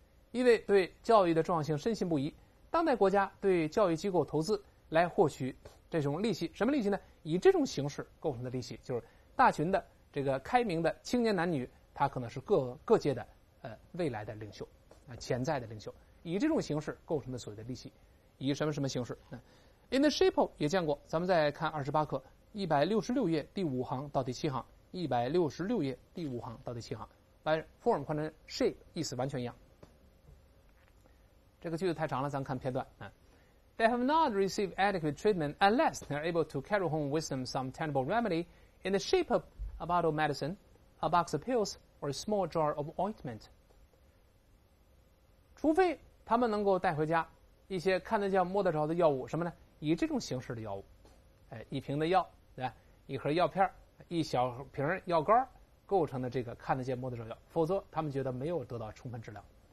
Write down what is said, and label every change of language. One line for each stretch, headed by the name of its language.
Chinese: 因为对教育的重要性深信不疑，当代国家对教育机构投资来获取这种利息，什么利息呢，以这种形式构成的利息，就是大群的这个开明的青年男女，他可能是各界的未来的领袖潜在的领袖，以这种形式构成的所谓的利息，以什么什么形式
English: in the shape of
Chinese: 也见过，咱们再看28课166页第5行到第7行，166页第5行到第7行，把 form 换成 shape 意思完全一样。这个句子太长了，咱看片段
English: They have not received adequate treatment unless they are able to carry home with them some tangible remedy in the shape of a bottle of medicine, a box of pills, or a small jar of ointment.
Chinese: 除非他们能够带回家一些看得见摸得着的药物，什么呢，以这种形式的药物，一瓶的药，对，一盒药片，一小瓶药膏构成的这个看得见摸得着药，否则他们觉得没有得到充分治疗。